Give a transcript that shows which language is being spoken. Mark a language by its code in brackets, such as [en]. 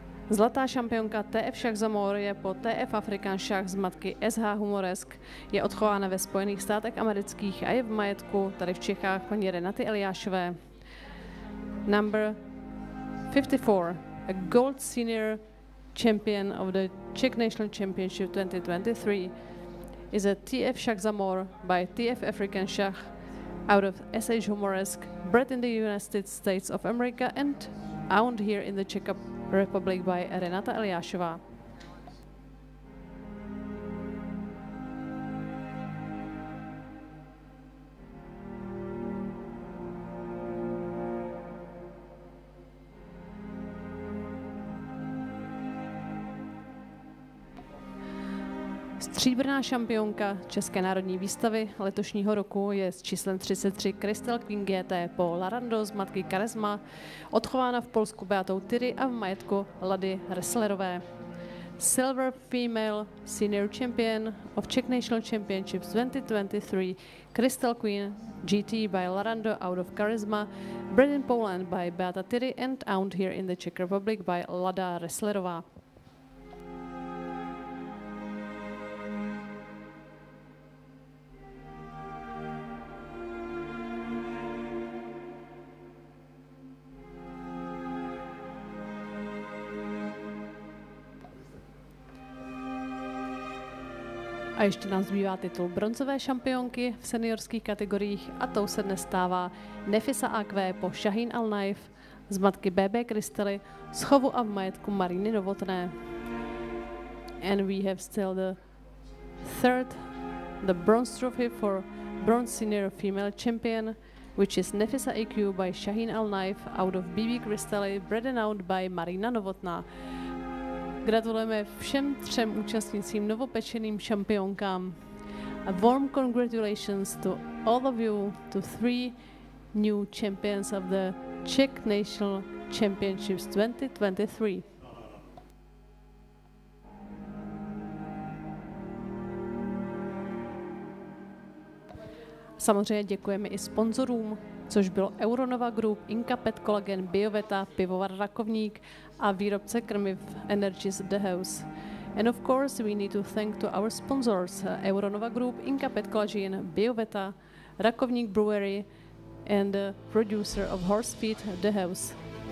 [cs] Zlatá šampionka TF Šach za mor je po TF African Šach z matky SH Humoresk. Je odchována ve Spojených státech amerických a je v majetku tady v Čechách paní Renaty Eliášové. [en] Number 54, a gold senior champion of the Czech National Championship 2023, is a TF Šach za mor by TF African Šach out of SH Humoresk, bred in the United States of America and owned here in the Czech Republic by Renata Eliášová. [cs] Stříbrná šampionka České národní výstavy letošního roku je s číslem 33 Crystal Queen GT po Larando z matky Charisma, odchována v Polsku Beatou Tyry a v majetku Lady Resslerové. [en] Silver Female Senior Champion of Czech National Championships 2023 Crystal Queen GT by Larando out of Charisma, bred in Poland by Beata Tyry and owned here in the Czech Republic by Lada Resslerová. [cs] A ještě nám zbývá titul bronzové šampionky v seniorských kategoriích a tou se dnes stává Nefisa Aqua po Shahin Alnaif z matky BB Krystaly z chovu a v majetku Mariny Novotné. [en] And we have still the third, the bronze trophy for bronze senior female champion, which is Nefisa AQ by Shahin Alnaif out of BB Krystaly, bred and owned by Marina Novotná. [cs] Gratulujeme všem třem účastnicím novopečeným šampionkám. [en] A warm congratulations to all of you, to three new champions of the Czech National Championships 2023. [cs] Samozřejmě děkujeme i sponzorům, což byl Euronova Group, Inka Pet Collagen, Bioveta, Pivovar Rakovník a výrobce krmiv Energies The House. [en] And of course we need to thank to our sponsors, Euronova Group, Inka Pet Collagen, Bioveta, Rakovník Brewery and producer of horse feed The House.